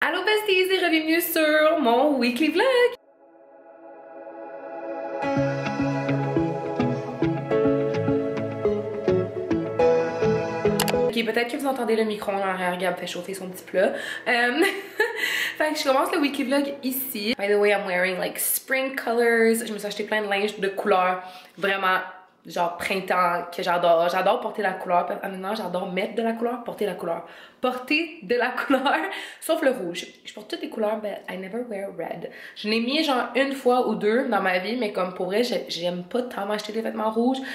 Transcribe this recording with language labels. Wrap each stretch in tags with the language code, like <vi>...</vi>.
<fr>Allô besties et bienvenue sur mon weekly vlog! Ok, peut-être que vous entendez le micro en arrière, Gab fait chauffer son petit plat. Fait que je commence le weekly vlog ici.</fr> <en>By the way, I'm wearing like spring colors.</en> <fr>Je me suis acheté plein de linge de couleurs vraiment genre printemps que j'adore. J'adore porter la couleur. Maintenant, j'adore mettre de la couleur, porter la couleur. Porter de la couleur, sauf le rouge. Je porte toutes les couleurs,</fr> <en>but I never wear red.</en> <fr>Je n'ai mis genre une fois ou deux dans ma vie, mais comme pour vrai, j'aime pas tant m'acheter des vêtements rouges.</fr>